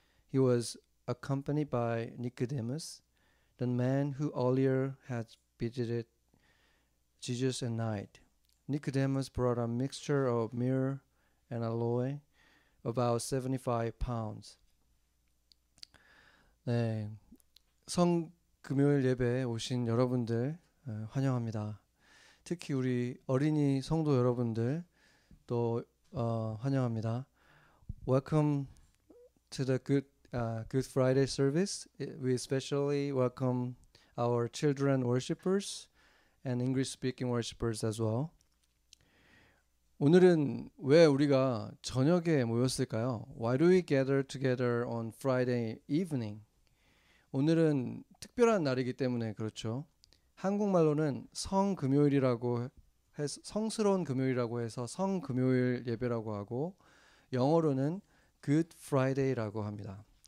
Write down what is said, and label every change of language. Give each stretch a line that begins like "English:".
English: He was accompanied by Nicodemus, the man who earlier had visited Jesus at night. Nicodemus brought a mixture of myrrh and aloe, about 75 pounds.
Korean: 네, 성 금요일 예배에 오신 여러분들 환영합니다. 특히 우리 어린이 성도 여러분들 또 환영합니다.
English: Welcome to the Good Friday service. We especially welcome our children worshipers and English-speaking worshipers as well.
Korean: 오늘은 왜 우리가 저녁에 모였을까요?
English: Why do we gather together on Friday evening?
Korean: 오늘은 특별한 날이기 때문에 그렇죠. 한국말로는 성금요일이라고 성스러운 금요일이라고 해서 성금요일 예배라고 하고 영어로는 Good Friday라고 합니다.